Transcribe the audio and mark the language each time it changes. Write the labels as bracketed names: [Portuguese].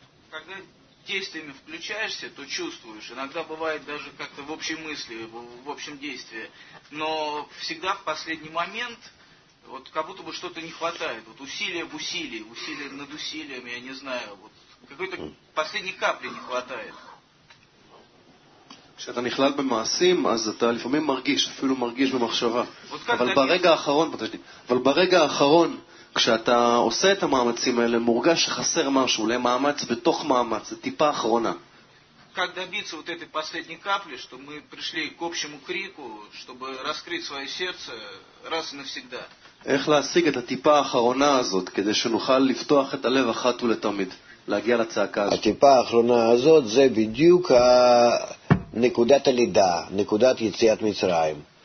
[Russian] Когда действиями включаешься, то чувствуешь. Иногда бывает даже как-то в общей мысли, в общем действии. Но всегда в последний момент вот как будто бы что-то не хватает. Вот усилия в усилии, усилия над усилиями, я не знаю. Вот какой-то последней капли не хватает. [Hebrew] כשאתה נכלל במעשים, אז אתה לפעמים מרגיש, אפילו מרגיש במחשבה. אבל ברגע האחרון, אבל ברגע האחרון, כשאתה עושה את המאמצים האלה, מורגש שחסר משהו, למאמץ בתוך מאמץ, זה טיפה אחרונה. [Russian] Как добиться вот этой последней капли, что мы пришли к общему крику, чтобы раскрыть свое сердце раз и навсегда? [Hebrew] איך להשיג את הטיפה האחרונה הזאת, כדי שנוכל לפתוח את הלב אחת ולתמיד? להגיע לצעקה הזאת. הטיפה האחרונה הזאת זה בדיוק נקודת הלידה, נקודת יציאת מצרים.